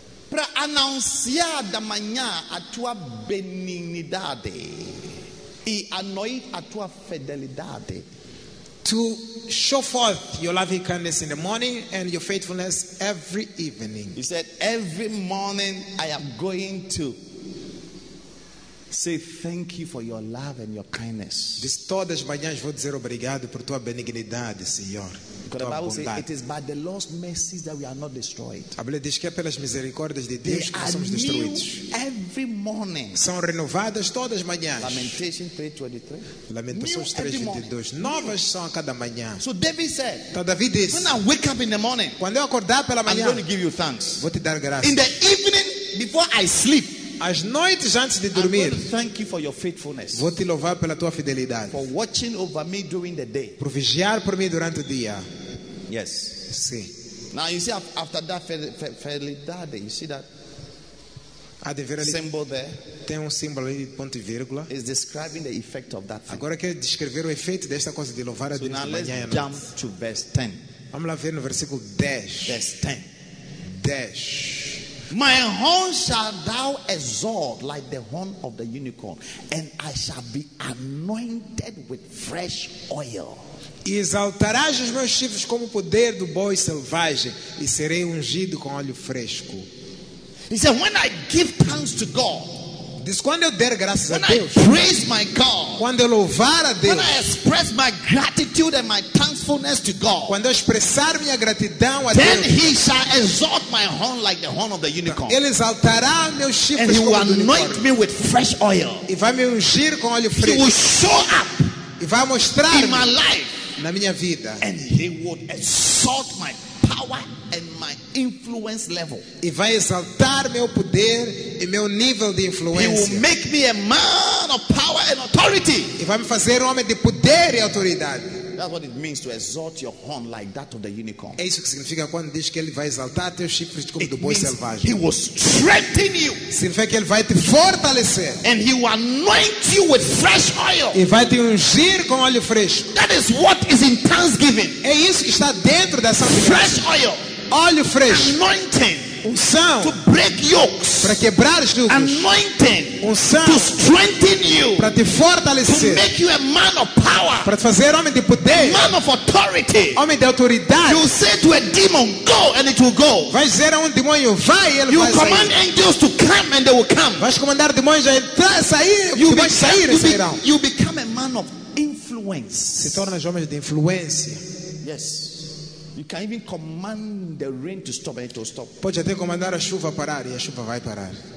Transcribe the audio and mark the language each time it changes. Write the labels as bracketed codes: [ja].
[pt] Para anunciar da manhã a tua benignidade e anoint a tua fidelidade. [en] To show forth your loving kindness in the morning and your faithfulness every evening. He said, every morning I am going to say thank you for your love and your kindness. [pt] Diz, todas as manhãs vou dizer obrigado por tua benignidade, Senhor. [en] Because the Bible says it is by the Lord's mercies that we are not destroyed. [pt] A Bíblia diz que é pelas misericórdias de Deus que somos destruídos. [en] Every morning. [pt] São renovadas todas as manhãs. [en] Lamentations 3:23. [pt] Lamentações 3:22. Novas são a cada manhã. [en] So David said. [pt] Então Davi disse. [en] When I wake up in the morning. [pt] Quando eu acordar pela manhã. [en] I'm going to give you thanks. [pt] Vou te dar graças. [en] In the evening before I sleep. [pt] As noites antes de dormir, [en] thank you for your faithfulness, [pt] vou te louvar pela tua fidelidade. [en] For watching over me during the day. [pt] Por vigiar por mim durante o dia. [en] Yes. [pt] Sim. [en] Now you see after that fidelidade, you see that [pt] há de ver ali, [en] symbol there. [pt] Tem símbolo ali de ponto e vírgula. [en] Is describing the effect of that thing. [pt] Agora quer descrever o efeito desta coisa de louvar a Deus [en] so [pt] de manhã e à noite. [en] Jump to verse 10. [pt] Vamos lá ver no versículo 10. [en] Verse 10. [pt] 10. [en] My horn shall thou exalt like the horn of the unicorn, and I shall be anointed with fresh oil. [pt] Exaltarás os meus chifres como o poder do boi selvagem, e serei ungido com óleo fresco. [en] He said, when I give thanks to God, [pt] diz, quando eu der graças [en] when [pt] a Deus, [en] I praise my God, [pt] quando eu louvar a Deus, [en] when I express my gratitude and my thankfulness to God, [pt] quando eu expressar minha gratidão a [en] then [pt] Deus, [en] he shall exalt my horn like the horn of the unicorn. [pt] Ele exaltará meus chifres [en] and he [pt] como [en] will anoint me with fresh oil. [pt] E vai me ungir com óleo fresco. [en] He will show up [pt] e vai mostrar [en] in my life [pt] na minha vida. [en] And he will exalt my power and my influence level. [pt] E vai exaltar meu poder e meu nível de influência. [en] He will make me a man of power and authority. [pt] E vai me fazer homem de poder e autoridade. [en] That's what it means to exalt your horn like that of the unicorn. [pt] É isso que significa quando diz que ele vai exaltar teus chifres como do boi selvagem. [en] He will strengthen you. [pt] Significa que ele vai te fortalecer. [en] And he will anoint you with fresh oil. [pt] E vai te ungir com óleo fresco. [en] That is what is in thanksgiving. [pt] É isso que está dentro dessa [en] fresh oil. [pt] Óleo fresco. [en] Anointing. [pt] Unção. [en] To break yokes. [pt] Para quebrar os jugos. [en] Anointing. [pt] Unção. [en] To strengthen you. [pt] Para te fortalecer. [en] To make you a man of power. [pt] Para te fazer homem de poder. [en] A man of authority. [pt] Homem de autoridade. [en] You say to a demon, go and it will go. [pt] Vai dizer a demônio, vai e ele [en] you [pt] vai sair. [en] You command angels to come and they will come. [pt] Vais comandar demônios a entrar, sair, [en] you [pt] vai [en] become, [pt] sair [en] you [pt] e sairão. [en] Be, you become a man of influence. [pt] Se tornas homem de influência. [en] Yes. You can even command the rain to stop and it will stop. [pt] Pode até comandar a chuva parar e a chuva vai parar.